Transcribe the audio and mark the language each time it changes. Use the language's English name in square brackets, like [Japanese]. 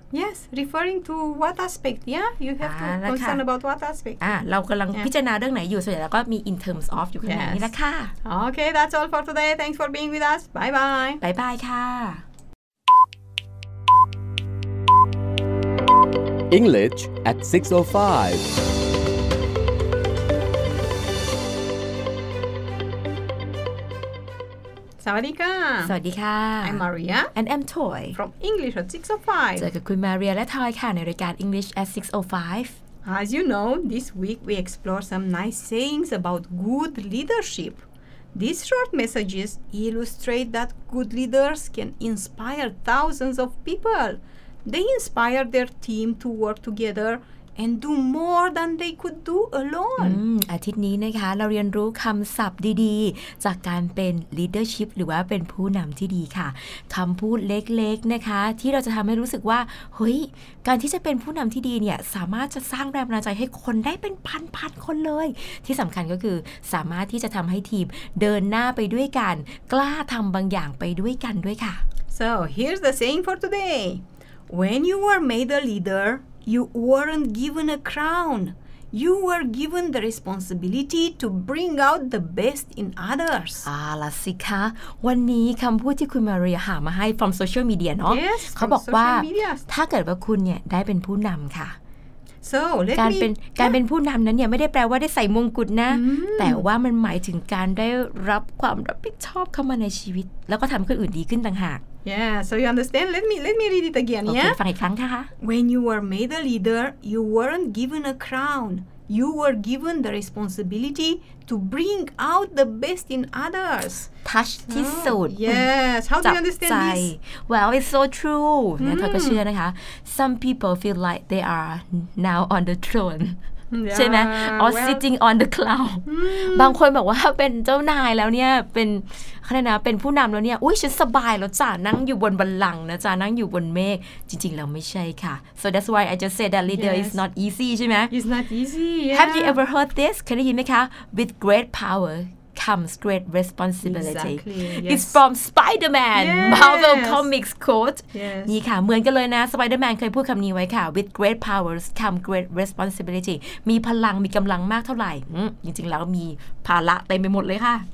[English] Yes, referring to what aspect, yeah? You have to concern about what aspect. [Thai] เรากำลังพิจารณาเรื่องไหนอยู่ส่วนใหญ่แล้วก็มี [English] in terms of [Thai] อยู่ข้างในนี่แหละค่ะ [English] Okay, that's all for today. Thanks for being with us. Bye-bye. Bye-bye, [Thai] ค่ะ [English] English at 6:05 [Thai] Sawadika. Sawadika. [English] I'm Maria. And I'm Toy. From English at 605. [Thai] เจอกับคุณ Maria และ Toy ค่ะในรายการ English at 605. [English] As you know, this week we explore some nice sayings about good leadership. These short messages illustrate that good leaders can inspire thousands of people. They inspire their team to work together and do more than they could do alone. [Thai] อาทิตย์นี้นะคะเราเรียนรู้คำศัพท์ดีๆจากการเป็น leadership หรือว่าเป็นผู้นำที่ดีค่ะคำพูดเล็กๆนะคะที่เราจะทำให้รู้สึกว่าเฮ้ยการที่จะเป็นผู้นำที่ดีเนี่ยสามารถจะสร้างแรงบันดาลใจให้คนได้เป็นพันๆคนเลยที่สำคัญก็คือสามารถที่จะทำให้ทีมเดินหน้าไปด้วยกันกล้าทำบางอย่างไปด้วยกันด้วยค่ะ [English] So here's the saying for today When you were made a leaderYou weren't given a crown. You were given the responsibility to bring out the best in others. Ah, la si ka. [Thai] วันนี้คำพูดที่คุณมาเรียหามาให้ [English] from social media [Thai] เนาะ [English] Yes. [Thai] เขาบอกว่าถ้าเกิดว่าคุณเนี่ยได้เป็นผู้นำค่ะ [English] So let me. [Thai] การเป็นผู้นำนั้นเนี่ยไม่ได้แปลว่าได้ใส่มงกุฎนะ mm-hmm. แต่ว่ามันหมายถึงการได้รับความรับผิดชอบเข้ามาในชีวิตแล้วก็ทำคนอื่นดีขึ้นต่างหาก [English] Yeah, so you understand? Let me read it again, okay, yeah? [Thai] ฟังอีกครั้งค่ะ [English] When you were made a leader, you weren't given a crown. You were given the responsibility to bring out the best in others. [Thai] Touch so, ที่สุด [English] Yes, how do you understand this? Well, it's so true. [Thai] เธอก็เชื่อนะคะ [English] Some people feel like they are now on the throne. [Thai] ใช่ไหม [English] Or well, sitting on the cloud. [Thai] บางคนบอกว่าเป็นเจ้านายแล้วเนี่ยเป็นเนี่ยนะเป็นผู้นำแล้วเนี่ยอุ้ยฉันสบายแล้วจ้านั่งอยู่บนบัลลังก์นะจ้านั่งอยู่บนเมฆจริงๆแล้วไม่ใช่ค่ะ [English] so that's why I just said that leader yes. is not easy [Thai] ใช่ไหม [English] it's not easy yeah. have you ever heard this [Thai] เคยได้ยินไหมคะ [English] with great power comes great responsibility exactly. yes. it's from Spider-Man yes. Marvel Comics quote yes. [Thai] นี่ค่ะเหมือนกันเลยนะ Spider-Man เคยพูดคำนี้ไว้ค่ะ [English] with great powers come great responsibility [Thai] มีพลังมีกำลังมากเท่าไหร่จริงๆแล้วมีภาระเต็มไปหมดเลยค่ะ